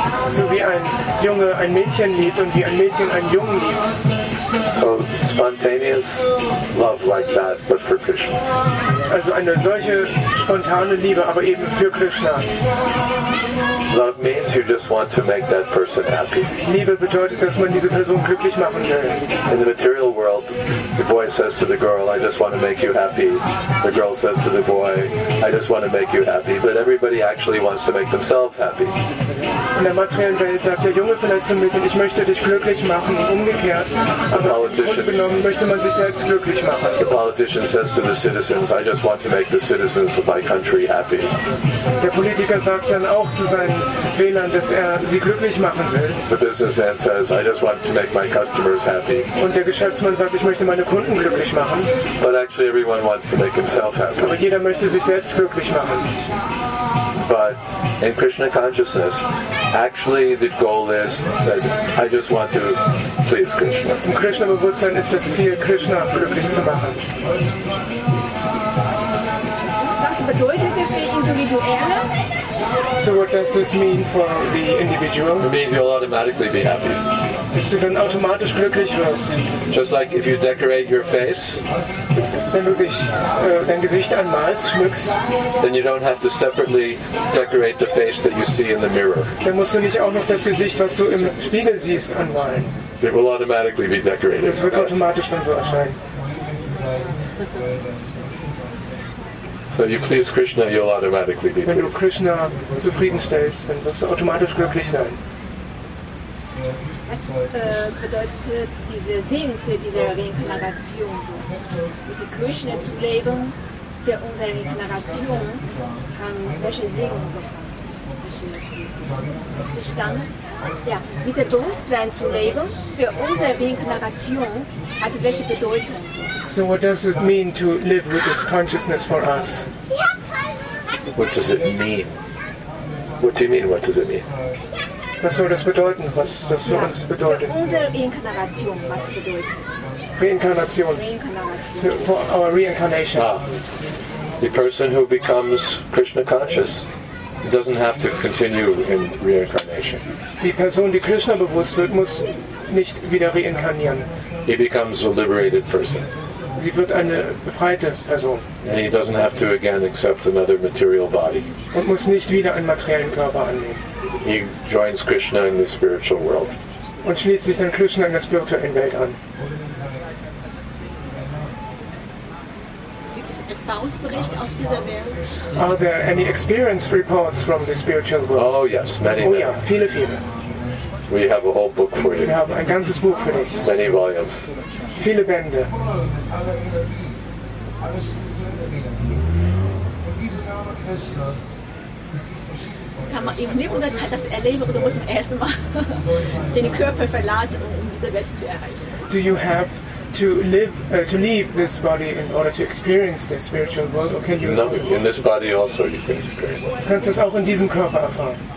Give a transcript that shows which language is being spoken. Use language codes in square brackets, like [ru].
[de] So wie ein Junge ein Mädchen liebt und wie ein Mädchen einen Jungen liebt. [en] So spontaneous love like that, but for Krishna. [de] Also eine solche spontane Liebe, aber eben für Krishna. [en] Love means you just want to make that person happy. [de] Liebe bedeutet, dass man diese Person glücklich machen will. [en] In the material world, the boy says to the girl, I just want to make you happy. The girl says to the boy, I just want to make you happy. But everybody actually wants to make themselves happy. [de] In der materiellen Welt sagt der Junge vielleicht zum Mädchen, ich möchte dich glücklich machen, umgekehrt. Aber im Grunde genommen möchte man sich selbst glücklich machen. [en] The politician says to the citizens, I just want to make the citizens of my country happy. [de] Der Politiker sagt dann auch zu seinen Wählern, dass er sie glücklich machen will. [en] The businessman says, I just want to make my customers happy. [de] Und der Geschäftsmann sagt, ich möchte meine Kunden glücklich machen. [en] But actually everyone wants to make himself happy. [de] Aber jeder möchte sich selbst glücklich machen. [en] But in Krishna consciousness, actually the goal is that I just want to please Krishna. [de] In Krishna Bewusstsein ist das Ziel, Krishna glücklich zu machen. Was bedeutet das für Individuelle? [en] So what does this mean for the individual? It means you'll automatically be happy. [de] Dass du dann automatisch glücklich wirst. [en] Just like if you decorate your face. [de] Wenn du dich dein Gesicht anmalst, schmückst, [en] then you don't have to separately decorate the face that you see in the mirror. [de] Dann musst du nicht auch noch das Gesicht, was du im Spiegel siehst, anmalen. [en] It will automatically be decorated. [de] Das wird automatisch dann so erscheinen. [en] So you please Krishna, you'll automatically be pleased. [de] Wenn du Krishna zufriedenstellst, dann wirst du automatisch glücklich sein. Was bedeutet dieser Sinn für diese Reinkarnation? So, mit dem Krishna zu leben, für unsere Reinkarnation, kann welche Segen bekommen? Verstanden? Ja, mit dem Bewusstsein zu leben, für unsere Reinkarnation hat welche Bedeutung. [en] So what does it mean to live with this consciousness for us? What does it mean? What do you mean, what does it mean? [de] Was soll das bedeuten? Was das für uns bedeutet? Für unsere Reinkarnation, was bedeutet? [en] Reinkarnation. For our reincarnation. Ah. The person who becomes Krishna conscious doesn't have to continue in reincarnation. [de] Die Person, die Krishna bewusst wird, muss nicht wieder reinkarnieren. [en] He becomes a liberated person. [de] Sie wird eine befreite Person. [en] And he doesn't have to again accept another material body. [de] Und muss nicht wieder einen materiellen Körper annehmen. [en] He joins Krishna in the spiritual world. [de] Und schließt sich dann Krishna in der spirituellen Welt an. [en] Are there any experience reports from the spiritual world? Oh yes, many. [de] Oh yeah, viele, viele. [en] We have a whole book for you. [de] Wir haben ein ganzes Buch für dich. [en] Many volumes. [de] Viele Bände. Kann man im Leben der Zeit das erleben oder muss man erstmal den Körper verlassen, um diese Welt zu erreichen? [en] Do you have to leave this body in order to experience the spiritual world, or can you? No, in this body also you can experience it. [de] Kannst du es auch in diesem Körper erfahren?